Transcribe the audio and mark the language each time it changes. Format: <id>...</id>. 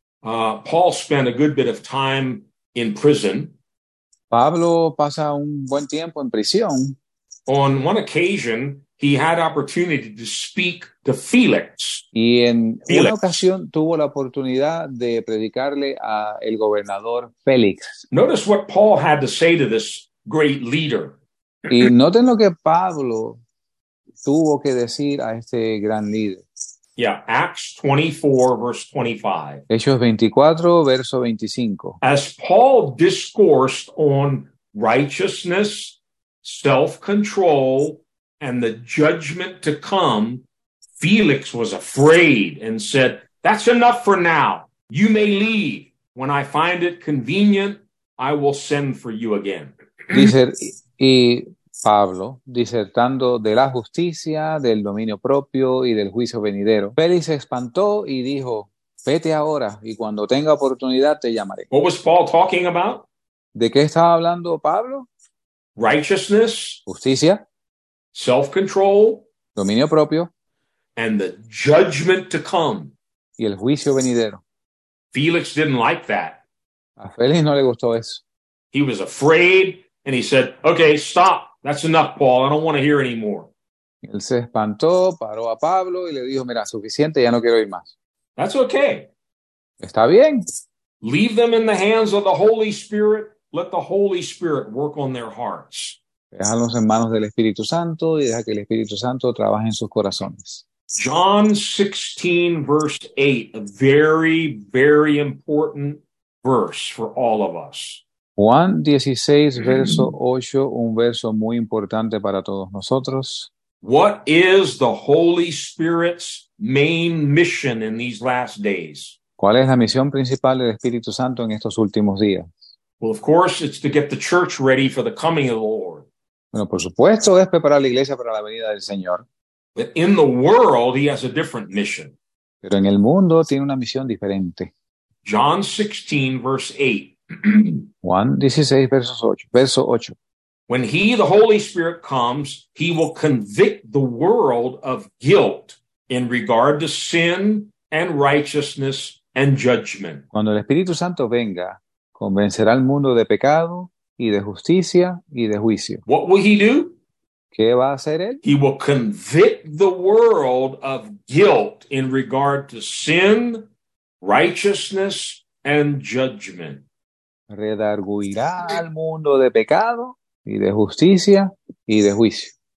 <en>Paul spent a good bit of time in prison.</en> <es>Pablo pasa un buen tiempo en prisión.</es> <en>On one occasion, he had opportunity to speak to Felix.</en> <es>Y en una Felix. ocasión tuvo la oportunidad de predicarle a el gobernador Félix.</es> <en>Notice what Paul had to say to this great leader.</en> <es>Y noten lo que Pablo tuvo que decir a este gran líder.</es> <en>Yeah, Acts 24, verse 25.</en> <es>Hechos 24, verso 25.</es> <en>As Paul discoursed on righteousness, self-control, and the judgment to come, Felix was afraid and said, "That's enough for now. You may leave. When I find it convenient, I will send for you again."</en> <es>Dice, y Pablo, disertando de la justicia, del dominio propio y del juicio venidero. Félix se espantó y dijo: Vete ahora y cuando tenga oportunidad te llamaré.</es> <en>What was Paul talking about?</en> <es>¿De qué estaba hablando Pablo?</es> <en>Righteousness,</en> <es>Justicia,</es> <en>self-control,</en> <es>dominio propio</es> <en>and the judgment to come.</en> <es>y el juicio venidero.</es> <en>Felix didn't like that.</en> <es>A Félix no le gustó eso.</es> <en>He was afraid and he said, "Okay, stop. That's enough, Paul. I don't want to hear any more."</en> <es>Él se espantó, paró a Pablo y le dijo: Mira, suficiente, ya no quiero ir más.</es> <en>That's okay.</en> <es>Está bien.</es> <en>Leave them in the hands of the Holy Spirit. Let the Holy Spirit work on their hearts.</en> <es>Déjalos en manos del Espíritu Santo y deja que el Espíritu Santo trabaje en sus corazones.</es> <en>John 16, verse 8, a very, very important verse for all of us.</en> <es>Juan 16, verso 8, un verso muy importante para todos nosotros.</es> <en>What is the Holy Spirit's main mission in these last days?</en> <es>¿Cuál es la misión principal del Espíritu Santo en estos últimos días?</es> <en>Well, of course, it's to get the church ready for the coming of the Lord.</en> <es>Bueno, por supuesto, es preparar la iglesia para la venida del Señor.</es> <en>But in the world, he has a different mission.</en> <es>Pero en el mundo tiene una misión diferente.</es> <en>John 16, verse 8.</en> <es>Juan 16, verso 8.</es> <en>When he, the Holy Spirit, comes, he will convict the world of guilt in regard to sin and righteousness and judgment.</en> <es>Cuando el Espíritu Santo venga, convencerá al mundo de pecado y de justicia y de juicio.</es> <en>What will he do?</en> <es>¿Qué va a hacer él?</es> <en>He will convict the world of guilt in regard to sin, righteousness, and judgment.</en> <es>Redargüirá al mundo de pecado y de justicia y de juicio.</es>